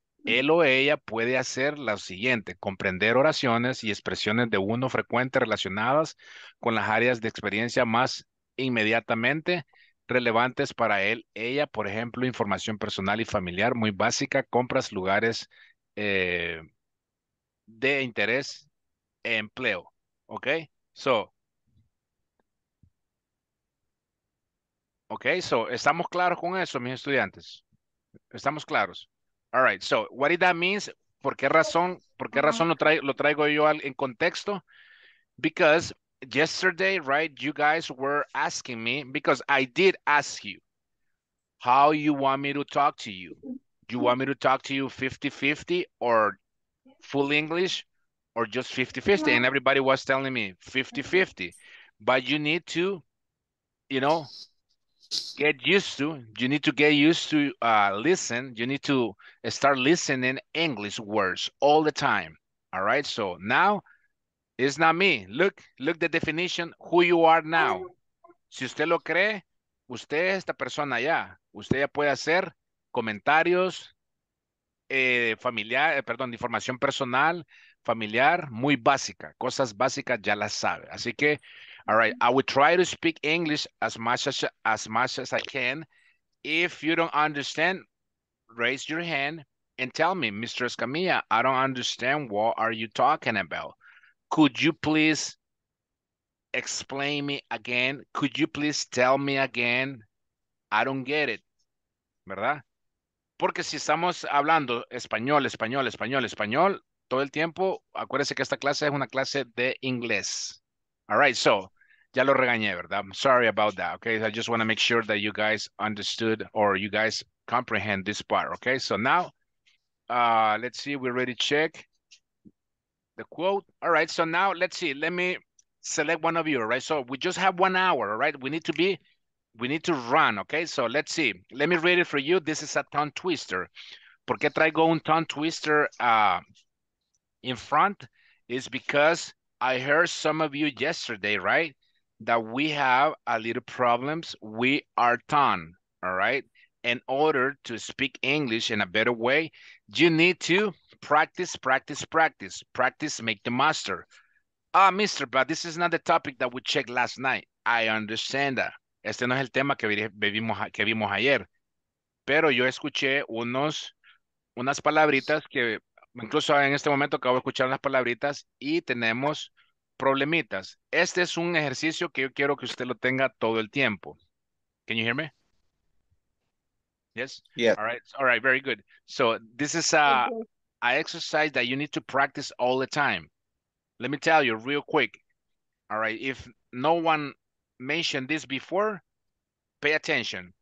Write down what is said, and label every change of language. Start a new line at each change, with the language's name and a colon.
Spanish: Él o ella puede hacer lo siguiente: comprender oraciones y expresiones de uno frecuente relacionadas con las áreas de experiencia más inmediatamente relevantes para él, ella, por ejemplo, información personal y familiar muy básica, compras, lugares de interés, empleo.
English: Okay, so.
Spanish: Okay, so, ¿estamos claros con eso, mis estudiantes? ¿Estamos claros? All right, so what did that mean? ¿Por qué razón lo traigo yo en contexto?
English: Because yesterday, right, you guys were asking me, because I did ask you, how you want me to talk to you? You want me to talk to you 50-50 or full English or just 50-50? And everybody was telling me 50-50. But you need to, you know, get used to. You need to get used to listen. You need to start listening English words all the time. All right. So now it's not me. Look, look the definition, who you are now.
Spanish: Si usted lo cree, usted es esta persona ya. Usted ya puede hacer comentarios, familiar, perdón, información personal, familiar, muy básica.
English: Cosas básicas ya las sabe. Así que, all right, I will try to speak English as much as I can. If you don't understand, raise your hand and tell me, Mr. Escamilla, I don't understand, what are you talking about? Could you please explain me again? Could you please tell me again? I don't get it, ¿verdad?
Spanish: Porque si estamos hablando español, español, español, español, todo el tiempo, acuérdense que esta clase es una clase de inglés.
English: All right, so, ya lo regañé, ¿verdad? I'm sorry about that, okay? I just want to make sure that you guys understood or you guys comprehend this part, okay? So now, let's see, we already checked the quote. All right, so now, let's see, let me select one of you, all right? So we just have 1 hour, all right? We need to run, okay? So let's see, let me read it for you. This is a tongue twister.
Spanish: ¿Por qué traigo un tongue twister in front?
English: It's because I heard some of you yesterday, right? That we have a little problems with our tongue, all right? In order to speak English in a better way, you need to practice, practice, practice. Practice, make the master. Ah, mister, but this is not the topic that we checked last night. I understand that.
Spanish: Este no es el tema que vimos ayer. Pero yo escuché unas palabritas que, incluso en este momento acabo de escuchar unas palabritas y tenemos problemitas. Este es un ejercicio que yo quiero que usted lo tenga todo el tiempo.
English: Can you hear me? Yes? Yeah. All right, very good. So this is a exercise that you need to practice all the time. Let me tell you real quick. All right, if no one mentioned this before, pay attention.